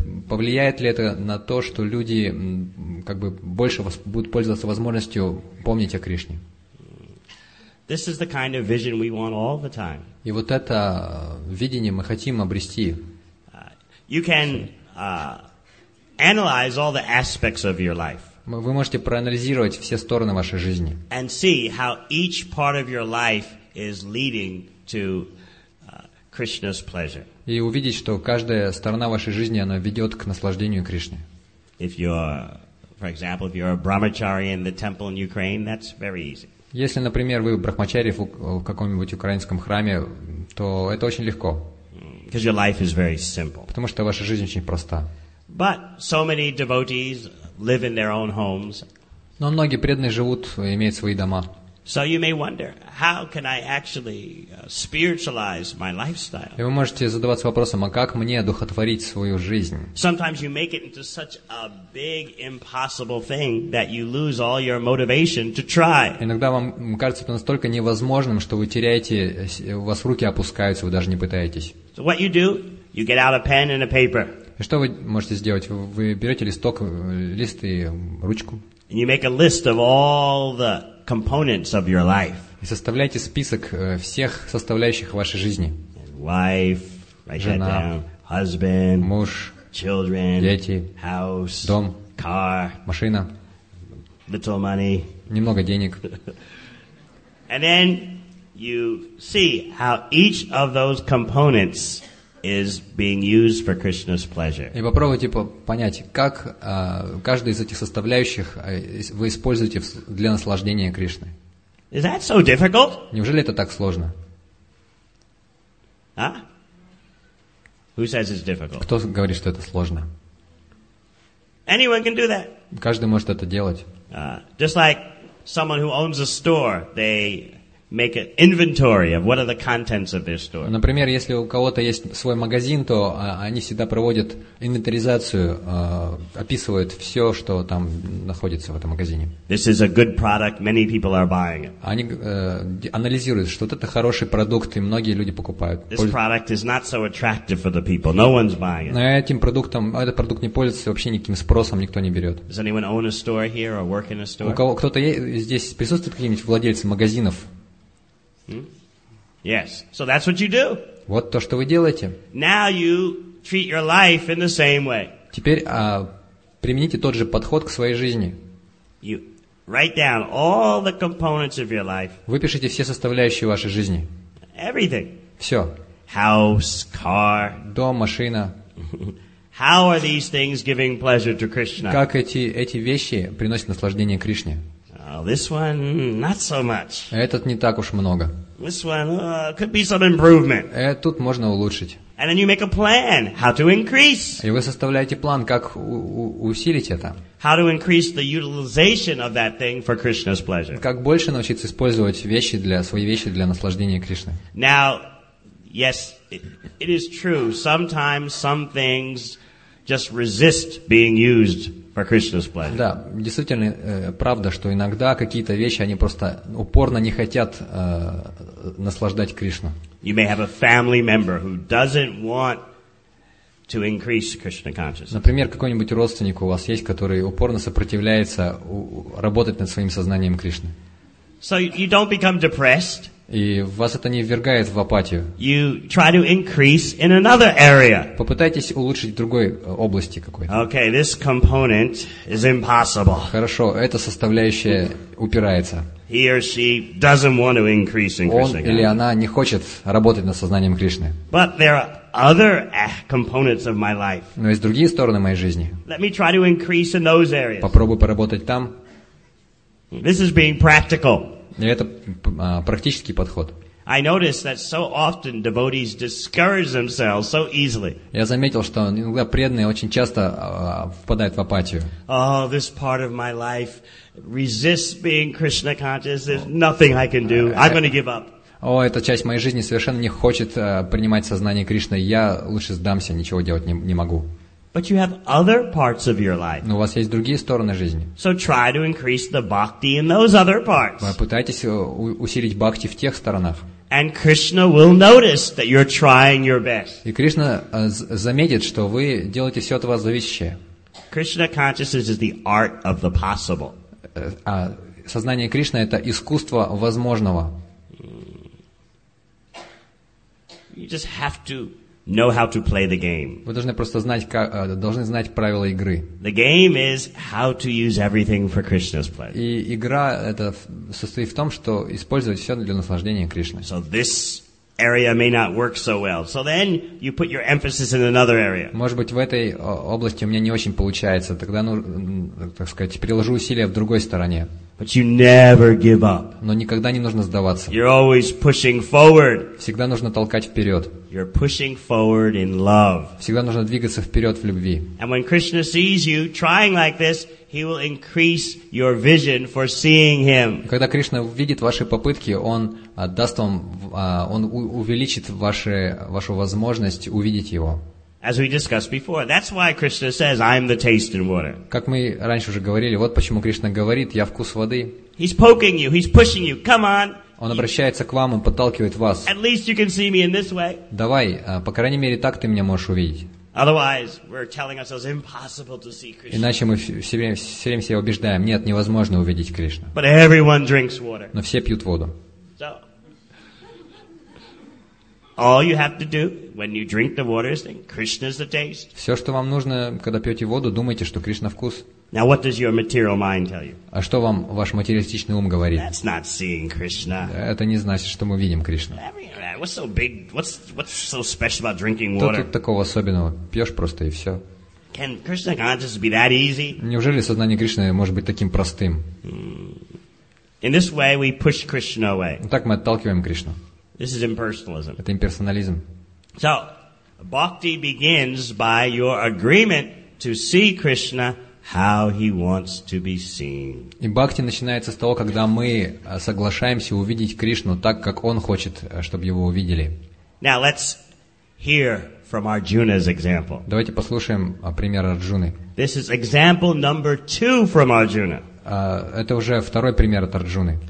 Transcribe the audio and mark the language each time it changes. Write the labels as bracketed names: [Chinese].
[Russian] Повлияет ли это на то, что люди как бы больше будут пользоваться возможностью помнить о Кришне? [English] This is the kind of vision we want all the time. [Russian] И вот это видение мы хотим обрести. [English] You can analyze all the aspects of your life. [Russian] Вы можете проанализировать все стороны вашей жизни. [English] And see how each part of your life is leading to Krishna's pleasure. [Russian] И увидеть, что каждая сторона вашей жизни она ведет к наслаждению Кришны. [English] If you are, for example, if you are a brahmachari in the temple in Ukraine, that's very easy. [Russian] Если, например, вы брахмачари в каком-нибудь украинском храме, то это очень легко. [English] Because your life is very simple. [Russian] Потому что ваша жизнь очень проста. [English] But so many devotees live in their own homes. [Russian] Но многие преданные живут, имеют свои дома. [English] So you may wonder, how can I actually spiritualize my lifestyle? [Russian] И вы можете задаваться вопросом, а как мне одухотворить свою жизнь? [English] Sometimes you make it into such a big impossible thing that you lose all your motivation to try. [Russian] Иногда вам кажется это настолько невозможным, что вы теряете, у вас руки опускаются, вы даже не пытаетесь. [English] So what you do? You get out a pen and a paper. [Russian] И что вы можете сделать? Вы берете листок, лист и ручку. [English] And you make a list of all the components of your life. [Russian] И составляете список всех составляющих вашей жизни. [English] Wife, write [Russian] жена, [English] that down. Husband, [Russian] муж, [English] children, [Russian] дети, [English] house, [Russian] дом, [English] car, [Russian] машина, [English] little money, [Russian] немного денег. [English] And then you see how each of those components is being used for Krishna's pleasure. [Russian] И попробуйте понять, как каждый из этих составляющих вы используете для наслаждения Кришны. [English] Is that so difficult? [Russian] Неужели это так сложно? [English] А? Who says it's difficult? [Russian] Кто говорит, что это сложно? [English] Anyone can do that. [Russian] Каждый может это делать. [English] Just like someone who owns a store, they make an inventory of what are the contents of their store. [Russian] Например, если у кого-то есть свой магазин, то они всегда проводят инвентаризацию, описывают все, что там находится в этом магазине. [English] This is a good product, many people are buying it. [Russian] Они анализируют, что вот это хороший продукт, и многие люди покупают. [English] This product is not so attractive for the people. No one's buying it. [Russian] Но этим продуктом, этот продукт не пользуется вообще никаким спросом, никто не берет. [English] Does anyone own a store here or work in a store? [Russian] У кого кто-то здесь присутствует какие-нибудь владельцы магазинов? [English] Yes. So that's what you do. [Russian] Вот то, что вы делаете. [English] Now you treat your life in the same way. [Russian] Теперь примените тот же подход к своей жизни. [English] You write down all the components of your life. [Russian] Выпишите все составляющие вашей жизни. [English] Everything. [Russian] Все. [English] House, car. [Russian] Дом, машина. [English] How are these things giving pleasure to Krishna? [Russian] Как эти вещи приносят наслаждение Кришне? [English] Oh, this one, not so much. [Russian] Этот не так уж много. [English] This one, could be some improvement. [Russian] Тут можно улучшить. [English] And then you make a plan, how to increase. [Russian] И вы составляете план, как усилить это. [English] How to increase the utilization of that thing for Krishna's pleasure. [Russian] Как больше научиться использовать вещи для свои вещи для наслаждения Кришны. [English] Now, yes, it is true. Sometimes some things just resist being used. [Russian] Да, действительно, правда, что иногда какие-то вещи, они просто упорно не хотят наслаждать Кришну. [English] You may have a family member who doesn't want to increase Krishna consciousness. [Russian] Например, какой-нибудь родственник у вас есть, который упорно сопротивляется работать над своим сознанием Кришны. [English] So you don't become depressed. [Russian] И вас это не ввергает в апатию. [English] You try to increase in another area. [Russian] Попытайтесь улучшить в другой области какой-то. [English] Okay, this component is impossible. [Russian] Хорошо, эта составляющая упирается. [English] He or she doesn't want to increase in Krishna. [Russian] Он или она не хочет работать над сознанием Кришны. [English] But there are other components of my life. [Russian] Но есть другие стороны моей жизни. [English] Let me try to increase in those areas. [Russian] Попробую поработать там. [English] This is being practical. [Russian] И это практический подход. [English] I notice that so often devotees discourage themselves so easily. [Russian] Я заметил, что иногда преданные очень часто впадают в апатию. [English] Oh, this part of my life resists being Krishna conscious. There's nothing I can do. I'm going to give up. [Russian] О, эта часть моей жизни совершенно не хочет принимать сознание Кришны. Я лучше сдамся, ничего делать не могу. [English] But you have other parts of your life. [Russian] Но у вас есть другие стороны жизни. [English] So try to increase the bhakti in those other parts. [Russian] Вы пытаетесь усилить бхакти в тех сторонах. [English] And Krishna will notice that you're trying your best. [Russian] И Кришна заметит, что вы делаете все от вас зависящее. [English] Krishna consciousness is the art of the possible. [Russian] Сознание Кришны это искусство возможного. [English] You just have to know how to play the game. [Russian] Вы должны просто знать, как, должны знать правила игры. [English] The game is how to use everything for Krishna's pleasure. [Russian] И игра это состоит в том, что использовать все для наслаждения Кришны. [English] So this area may not work so well. So then you put your emphasis in another area. [Russian] Может быть, в этой области у меня не очень получается. Тогда, ну, так сказать, приложу усилия в другой стороне. [English] But you never give up. [Russian] Но никогда не нужно сдаваться. [English] You're always pushing forward. [Russian] Всегда нужно толкать вперед. [English] You're pushing forward in love. [Russian] Всегда нужно двигаться вперед в любви. [English] And when Krishna sees you trying like this, He will increase your vision for seeing Him. [Russian] Когда Кришна видит ваши попытки, Он даст вам, Он увеличит вашу возможность увидеть Его. [English] As we discussed before, that's why Krishna says, "I'm the taste in water." [Russian] Как мы раньше уже говорили, вот почему Кришна говорит, я вкус воды. [English] He's poking you. He's pushing you. Come on. [Russian] Он обращается к вам, он подталкивает вас. [English] At least you can see me in this way. [Russian] Давай, по крайней мере так ты меня можешь увидеть. [English] Otherwise, we're telling ourselves impossible to see Krishna. [Russian] Иначе мы все время себя убеждаем, нет, невозможно увидеть Кришну. [English] But everyone drinks water. [Russian] Но все пьют воду. [English] So, all you have to do when you drink the water is think Krishna's the taste. [Russian] Все, что вам нужно, когда пьете воду, думайте, что Кришна вкус. [English] Now, what does your material mind tell you? [Russian] А что вам ваш материалистичный ум говорит? [English] That's not seeing Krishna. [Russian] Это не значит, что мы видим Кришну. [English] What's so big? What's so special about drinking water? [Russian] Что тут такого особенного? Пьешь просто и все. [English] Can Krishna consciousness be that easy? [Russian] Неужели сознание Кришны может быть таким простым? [English] In this way, we push Krishna away. [Russian] Так мы отталкиваем Кришну. [English] This is impersonalism. [Russian] Это имперсонализм. [English] So, bhakti begins by your agreement to see Krishna how he wants to be seen. [Russian] И бхакти начинается с того, когда мы соглашаемся увидеть Кришну так, как он хочет, чтобы его увидели. [English] Now let's hear from Arjuna's example. [Russian] Давайте послушаем пример Арджуны. [English] This is example number two from Arjuna. [Russian] Это уже второй пример от Арджуны.